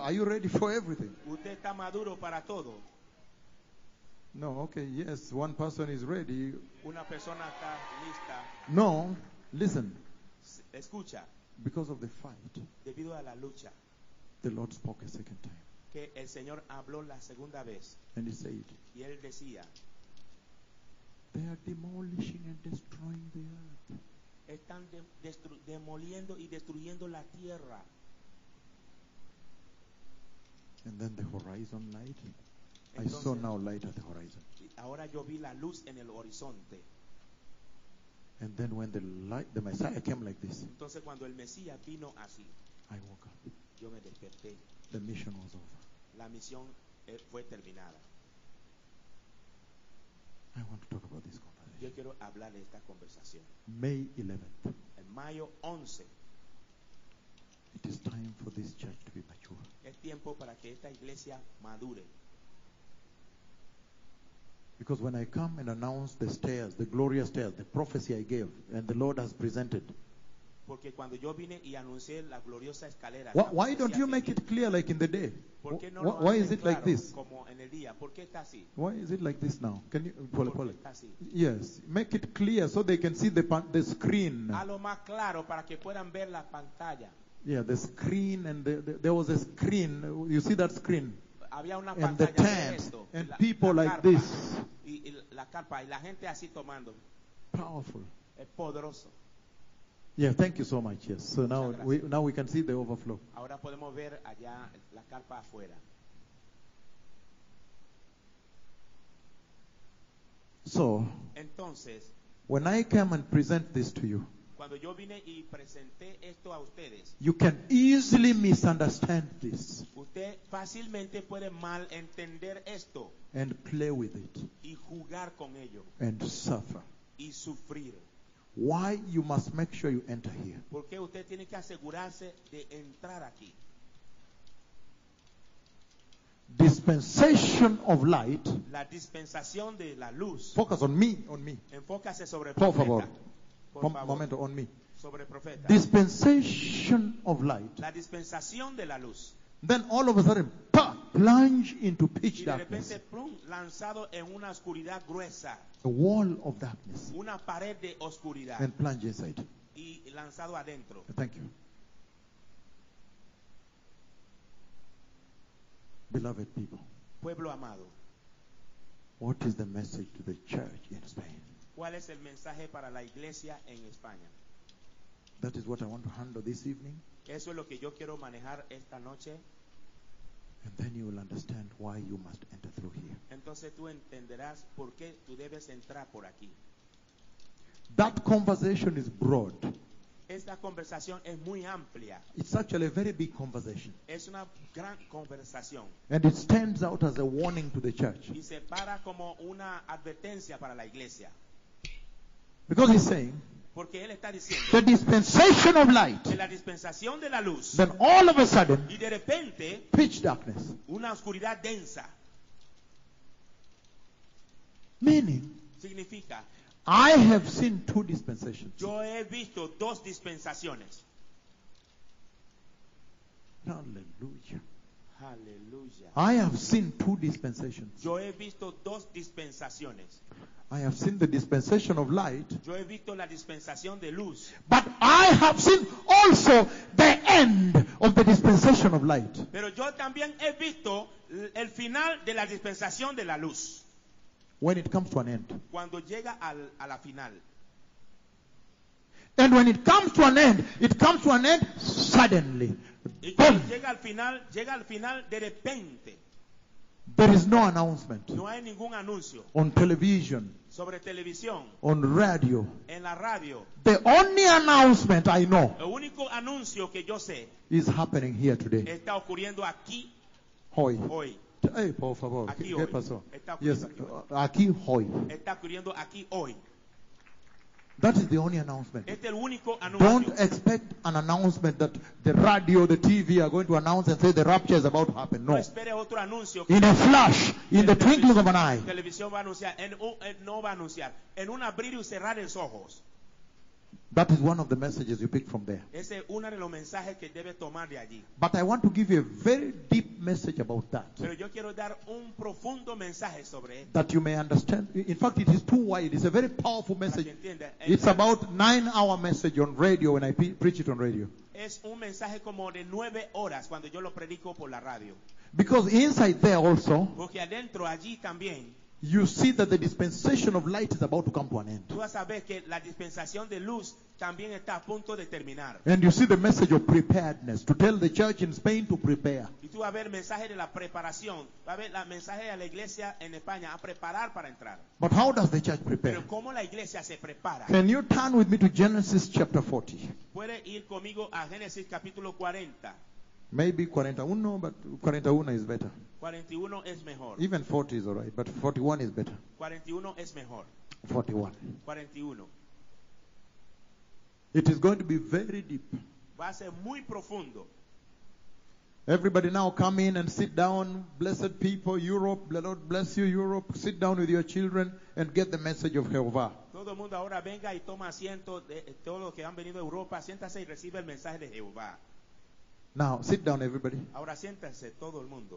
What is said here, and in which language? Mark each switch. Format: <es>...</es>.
<en>Are you ready for everything?</en> <es>Usted está maduro para todo.</es> <en>No, okay, yes, one person is ready.</en> <es>Una persona está lista.</es> <en>No, listen.</en> <es>Escucha.</es> <en>Because of the fight.</en> <es>Debido a la lucha.</es> <en>The Lord spoke a second time.</en> <es>Que el Señor habló la segunda vez.</es> <en>And he said.</en> <es>Y él decía.</es> <en>They are demolishing and destroying the earth.</en> <es>Están demoliendo y destruyendo la tierra.</es> <en>And then the horizon light.</en> <es>Entonces,</es> <en>I saw now light at the horizon.</en> <es>Ahora yo vi la luz en el horizonte.</es> <en>And then when the light, the Messiah came like this.</en> <es>Entonces cuando el Mesías vino así.</es> <en>I woke up.</en> <es>Yo me desperté.</es> <en>The mission was over.</en> <es>La misión fue terminada.</es> <en>I want to talk about this conversation.</en> <es>Yo quiero hablar de esta conversación.</es> <en>May 11th.</en> <es>En mayo 11.</es> <en>It is time for this church to be mature.</en> <es>Es tiempo para que esta iglesia madure.</es> <en>Because when I come and announce the stairs, the glorious stairs, the prophecy I gave, and the Lord has presented.</en> <es>Porque cuando yo vine y anuncié la gloriosa escalera.</es> <en>Why don't you make it clear like in the day?</en> <es>¿Por qué no</es> <en>why is it</en> <es>claro,</es> <en>like this?</en> <es>Como en el día. ¿Por qué está así?</es> <en>Why is it like this now? Can you, Pole?</en> <es>Está así?</es> <en>Yes, make it clear so they can see the screen.</en> <es>A lo más claro para que puedan ver la pantalla.</es> <en>Yeah, the screen and the there was a screen. You see that screen?</en> <es>Había una</es> <en>and the tent and people like this.</en> <es>Y la carpa y la gente así tomando.</es> <en>Powerful.</en> <es>Es poderoso.</es> <en>Yeah, thank you so much. Yes. So now we can see the overflow.</en> <es>Ahora podemos ver allá la carpa afuera.</es> <en>So.</en> <es>Entonces.</es> <en>When I come and present this to you.</en> <es>Cuando yo vine y presenté esto a ustedes.</es> <en>You can easily misunderstand this.</en> <es>Usted fácilmente puede mal entender esto.</es> <en>And play with it.</en> <es>Y jugar con ello.</es> <en>And suffer.</en> <es>Y sufrir.</es> <en>Why you must make sure you enter here.</en> <es>Porque usted tiene que asegurarse de entrar aquí.</es> <en>Dispensation of light.</en> <es>La dispensación de la luz.</es> <en>Focus on me.</en> <es>Enfócase sobre el profeta. Por favor. Momento</es> <en>on me.</en> <es>Sobre el profeta.</es> <en>Dispensation of light.</en> <es>La dispensación de la luz.</es> <en>Then all of a sudden, plunge into pitch darkness.</en> <es>Y de repente, plum, lanzado en una oscuridad gruesa.</es> <en>A wall of darkness.</en> <es>Una pared de oscuridad.</es> <en>And plunge inside.</en> <es>Y lanzado adentro.</es> <en>Thank you. Beloved people.</en> <es>Pueblo amado.</es> <en>What is the message to the church in Spain?</en> <es>¿Cuál es el mensaje para la iglesia en España?</es> <en>That is what I want to handle this evening.</en> <es>Eso es lo que yo quiero manejar esta noche.</es> <en>And then you will understand why you must enter through here.</en> <es>Entonces tú entenderás por qué tú debes entrar por aquí.</es> <en>That conversation is broad.</en> <es>Esta conversación es muy amplia.</es> <en>It's actually a very big conversation.</en> <es>Es una gran conversación.</es> <en>And it stands out as a warning to the church.</en> <es>Y se para como una advertencia para la iglesia.</es> <en>Because he's saying,</en> <es>porque él está diciendo,</es> <en>the dispensation of light,</en> <es>la dispensación de la luz,</es> <en>then all of a sudden,</en> <es>y de repente,</es> <en>pitch darkness,</en> <es>una oscuridad densa.</es> <en>Meaning,</en> <es>significa,</es> <en>I have seen two dispensations.</en> <es>Yo he visto dos dispensaciones.</es> <en>Hallelujah.</en> <es>Hallelujah.</es> <en>I have seen two dispensations.</en> <es>Yo he visto dos dispensaciones.</es> <en>I have seen the dispensation of light.</en> <es>Yo he visto la dispensación de luz.</es> <en>But I have seen also the end of the dispensation of light.</en> <es>Pero yo también he visto el final de la dispensación de la luz.</es> <en>When it comes to an end.</en> <es>Cuando llega a la final.</es> <en>And when it comes to an end, it comes to an end suddenly.</en> <es>Y cuando llega al final de repente.</es> <en>There is no announcement.</en> <es>No hay ningún anuncio.</es> <en>On television.</en> <es>Sobre televisión.</es> <en>On radio.</en> <es>En la radio.</es> <en>The only announcement I know.</en> <es>El único anuncio que yo sé.</es> <en>Is happening here today.</en> <es>Está ocurriendo aquí. Hoy. Hoy. Hey, por favor. Aquí ¿Qué hoy. Pasó? Está</es> <en>yes.</en> <es>aquí hoy. Está ocurriendo aquí hoy.</es> <en>That is the only announcement.</en> <es>Este es el único anuncio.</es> <en>Don't expect an announcement that the radio, the TV are going to announce and say the rapture is about to happen.</en> <es>No. No espere otro anuncio.</es> <en>In a flash, in the twinkling of an eye.</en> <es>Televisión va a anunciar. No va a anunciar. En un abrir y cerrar los ojos.</es> <en>That is one of the messages you pick from there.</en> <es>Ese es uno de los mensajes que debe tomar de allí.</es> <en>But I want to give you a very deep message about that.</en> <es>Pero yo quiero dar un profundo mensaje sobre esto.</es> <en>That you may understand. In fact, it is too wide. It's a very powerful message.</en> <es>Para que entienda,</es> <en>it's about 9 hour message on radio when I preach it on radio.</en> <es>Es un mensaje como de 9 horas cuando yo lo predico por la radio.</es> <en>Because inside there also.</en> <es>Porque adentro allí también.</es> <en>You see that the dispensation of light is about to come to an end.</en> <es>Tú vas a ver que la dispensación de luz también está a punto de terminar.</es> <en>And you see the message of preparedness to tell the church in Spain to prepare.</en> <es>Y tú vas a ver el mensaje de la preparación, vas a ver el mensaje a la iglesia en España a preparar para entrar.</es> <en>But how does the church prepare?</en> <es>Pero cómo la iglesia se prepara.</es> <en>Can you turn with me to Genesis chapter 40?</en> <es>Puede ir conmigo a Génesis capítulo 40.</es> <en>Maybe 41, but 41 is better.</en> <es>41 es mejor.</es> <en>Even 40 is alright, but 41 is better.</en> <es>41 es mejor.</es> <en>41.</en> <es>41.</es> <en>It is going to be very deep.</en> <es>Va a ser muy profundo.</es> <en>Everybody now come in and sit down. Blessed people, Europe, the Lord bless you, Europe. Sit down with your children and get the message of Jehovah.</en> <es>Todo mundo ahora venga y toma asiento. Todos los que han venido a Europa, siéntase y recibe el mensaje de Jehová.</es> <en>Now, sit down, everybody.</en> <es>Ahora siéntense todo el mundo.</es>